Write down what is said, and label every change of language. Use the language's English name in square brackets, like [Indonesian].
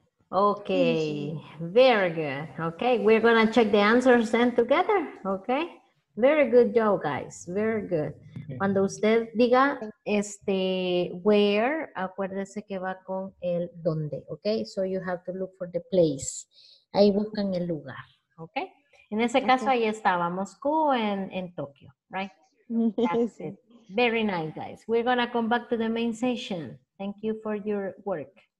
[English] Okay. Very good. Okay. We're going to check the answers then together. Okay. Very good job, guys. Very good. [Spanish] Cuando usted diga este where, acuérdese que va con el dónde, okay? [English] So you have to look for the place. [Spanish] Ahí buscan el lugar, okay? En ese caso ahí estaba Moscú en Tokio, right? [English] That's it. Very nice, guys. We're gonna come back to the main session. Thank you for your work.